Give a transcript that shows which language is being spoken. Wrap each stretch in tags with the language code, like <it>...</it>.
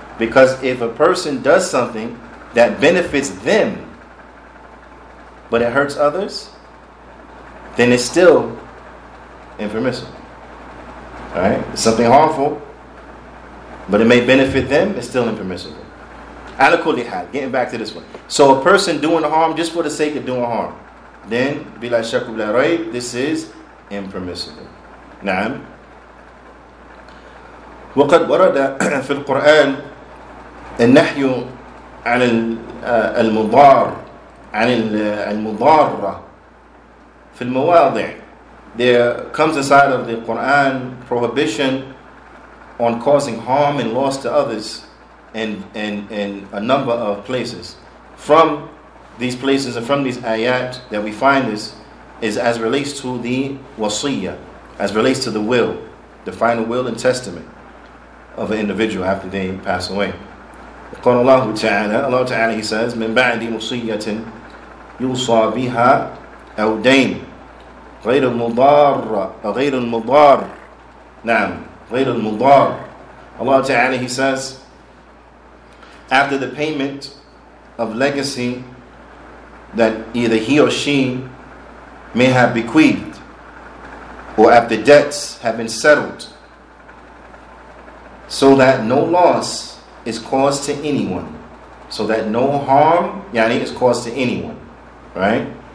<en>Because if a person does something that benefits them, but it hurts others, then it's still impermissible. Right? It's something harmful, but it may benefit them, it's still impermissible. Al-Kulihad, getting back to this one. So a person doing harm just for the sake of doing harm, then,</en> <ar>bila shakub la ray,</ar> <en>this is impermissible.</en> <ar>Naam. وقد ورد في القرآن النحي عن المضار عن المضارة في المواضع.</ar> <en>There comes inside of the Quran prohibition on causing harm and loss to others in a number of places. From these places and from these ayat that we find this is as relates to the wasiyah, as relates to the will, the final will and testament of an individual after they pass away. Allah Ta'ala, He says,</en> <ar>مِن بَعْدِ وَصِيَّةٍ يُوصَى بِهَا أَوْ دَيْنٍ غير المضار غير المضار نعم غير المضار.</ar> <en>Allah Ta'ala, He says, after the payment of legacy that either he or she may have bequeathed, or after debts have been settled, so that no loss is caused to anyone, so that no harm, yani, is caused to anyone, right?</en>